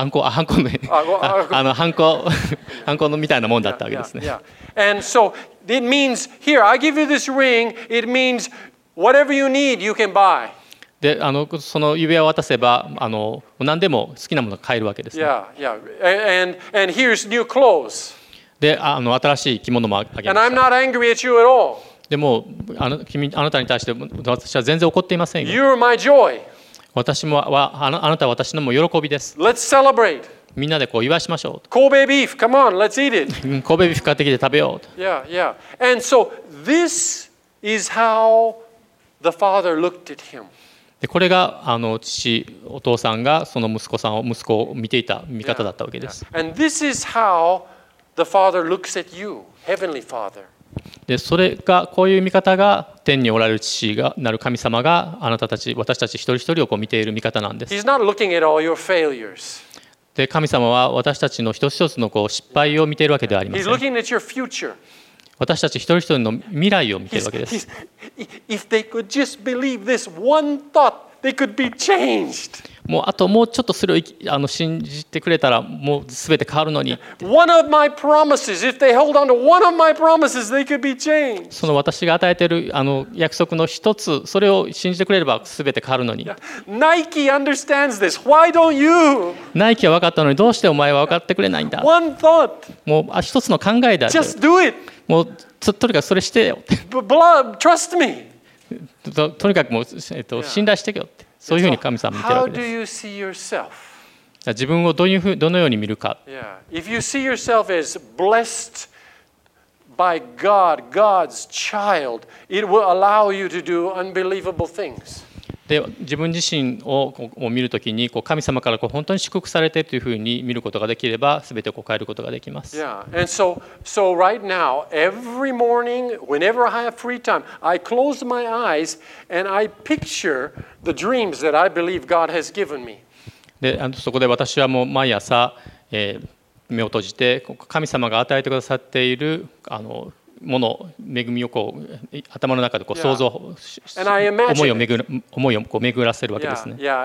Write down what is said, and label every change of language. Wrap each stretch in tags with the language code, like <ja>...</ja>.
<ja>ハンコのみたいなもんだったわけですね。</ja> <en>And so it means here, I give you this ring. It means whatever you need, you can buy.</en> <ja>で、あのその指輪を渡せば、あの何でも好きなものを買えるわけですね。</ja> <en>Yeah. And here's new clothes.</en> <ja>で、あの新しい着物もあげました。</ja> <en>And I'm not angry at you at all.</en> <ja>でも、あなたに対して私は全然怒っていませんよ。</ja> <en>You're my joy.</en> <ja>私もはあなたは私のも喜びです。</ja> <en>Let's celebrate.</en> <ja>みんなでこう祝いしましょう。</ja> <en>Kobe beef, come on, let's eat it.</en> <ja>神戸ビーフ買ってきて食べよう。</ja> <en>Yeah, yeah. And so this is how the father looked at him.</en> <ja>でこれがあの父お父さんがその息子さんを息子を見ていた見方だったわけです。</ja> <en>And this is how the Father looks at you, Heavenly Father.</en> <ja>でそれがこういう見方が天におられる父がなる神様があなたたち私たち一人一人をこう見ている見方なんです。</ja> <en>He's not looking at all your failures.</en> <ja>で神様は私たちの一つ一つのこう失敗を見ているわけではありません。</ja> <en>He's looking at your future.</en> <ja>私たち一人一人の未来を見ているわけです。</ja> <en>If they could just believe this one thought, they could be changed.</en> <ja>もうあともうちょっとそれをあの信じてくれたらもう全て変わるのに。</ja> <en>One of my promises, if they hold on to one of my promises, they could be changed.</en> <ja>その私が与えているあの約束の一つ、それを信じてくれれば全て変わるのに。</ja> <en>Nike understands this. Why don't you?</en> <ja>ナイキは分かったのにどうしてお前は分かってくれないんだ。</ja> <en>One thought.</en> <ja>もう一つの考えだ。</ja> <en>Just do it.</en> <ja>もうとにかくそれしてよ。</ja> <en>Blood, trust me.</en> <ja>とにかくもう信頼してよって。そういうふうに神様見てるわけです。</ja> <en>How do you see yourself?</en> <ja>自分をどのように見るか。</ja> <en>Yeah. If you see yourself as blessed by God, God's child, it will allow you to do unbelievable things.</en> <ja>で自分自身を見るときにこう神様からこう本当に祝福されているというふうに見ることができれば全てを変えることができます。</ja> <en>Yeah. And so right now, every morning, whenever I have free time, I close my eyes and I picture the dreams that I believe God has given me.</en> <ja>でそこで私はもう毎朝、目を閉じて神様が与えてくださっているあのもの恵みをこう頭の中でこう想像、</ja> <en>yeah.</en> <ja>思いを巡らせるわけですね。</ja>